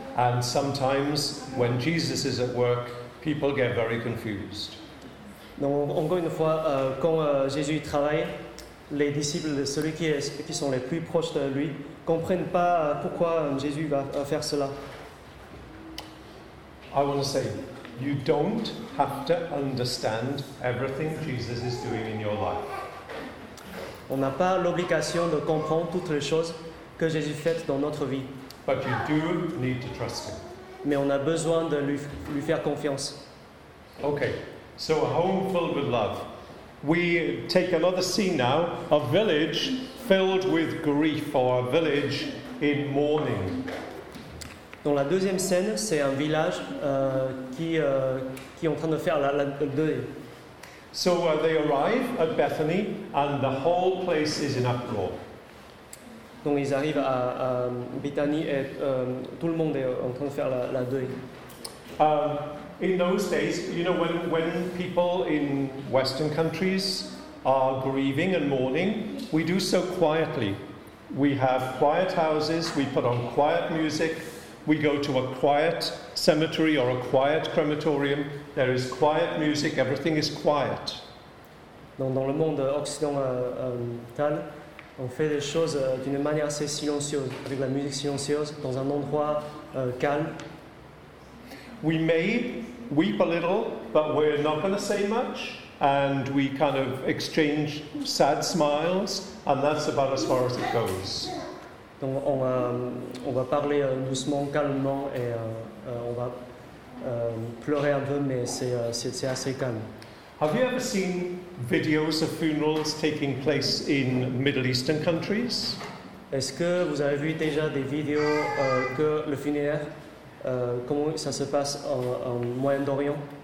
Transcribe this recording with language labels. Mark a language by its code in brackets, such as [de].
[en] And sometimes, when Jesus is at work, people get very confused. [fr] Donc, encore une fois, quand Jésus travaille, les disciples, ceux qui sont les plus proches de lui, comprennent pas pourquoi Jésus va faire cela. [en] I want to say, you don't have to understand everything Jesus is doing in your life. [fr] On n'a pas l'obligation de comprendre toutes les choses que Jésus fait dans notre vie. [en] But you do need to trust him. [fr] Mais on a besoin de lui faire confiance. [en] Okay, so a home filled with love. We take another scene now, a village filled with grief, or a village in mourning. [fr] Dans la deuxième scène, c'est un village qui est en train de faire la deuil. [en] So they arrive at Bethany, and the whole place is in uproar. [fr] Donc ils arrivent à Bethany et tout le monde est en train de faire la deuil. [en] In those days, you know, when people in Western countries are grieving and mourning, we do so quietly. We have quiet houses, we put on quiet music, we go to a quiet cemetery or a quiet crematorium, there is quiet music, everything is quiet. [fr] Donc dans le monde occidental, on fait les choses d'une manière assez silencieuse, avec la musique silencieuse, dans un endroit calme. [en] We may weep a little, but we're not going to say much, and we kind of exchange sad smiles, and that's about as far as it goes. [fr] Donc on va parler doucement, calmement, et on va pleurer un peu, mais c'est assez calme. [en] Have you ever seen videos of funerals taking place in Middle Eastern countries? [fr] Est-ce que vous avez vu déjà des vidéos que le funéraire, comment ça se passe en Moyen-Orient?